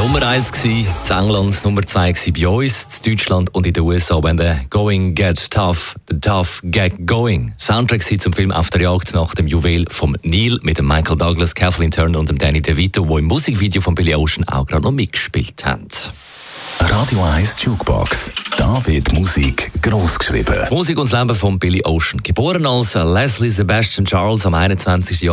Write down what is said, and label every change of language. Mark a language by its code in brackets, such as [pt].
[de] 1 gewesen, zu England Nummer 2 gewesen bei uns, zu Deutschland und in den USA. [en] When the going gets tough, the tough get going. [de] Soundtrack sieht zum Film Auf der Jagd nach dem Juwel vom Nil mit dem Michael Douglas, Kathleen Turner und dem Danny DeVito, die im Musikvideo von Billy Ocean auch gerade noch mitgespielt haben. Radio 1 Jukebox. Da wird Musik gross geschrieben. Die Musik und das Leben von Billy Ocean. Geboren als Leslie Sebastian Charles am 21.